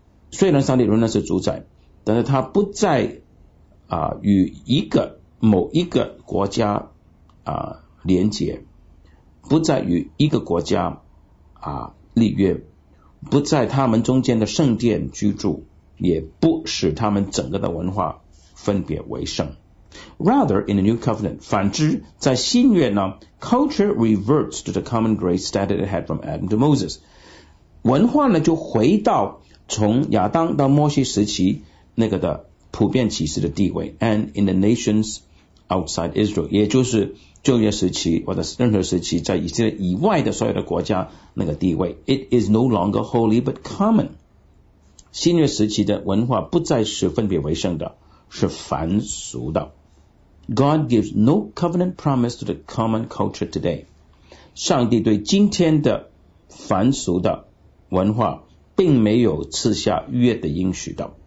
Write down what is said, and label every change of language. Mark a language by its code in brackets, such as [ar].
[zh] 虽然上帝仍然是主宰，但是他不再与一个某一个国家连结，不再与一个国家立约，不在他们中间的圣殿居住，也不使他们整个的文化分别为圣。 [en] Rather, in the New Covenant, [zh] 反之在新约呢 [en] culture reverts to the common grace that it had from Adam to Moses. [zh] 文化呢就回到从亚当到摩西时期那个的普遍启示的地位 [en] and in the nations outside Israel, [zh] 也就是旧约时期或者任何时期在以色列以外的所有的国家那个地位 [en] It is no longer holy but common. [zh] 新约时期的文化不再是分别为圣的是凡俗的 [en] God gives no covenant promise to the common culture today [zh] 上帝对今天的凡俗的文化并没有赐下约的应许的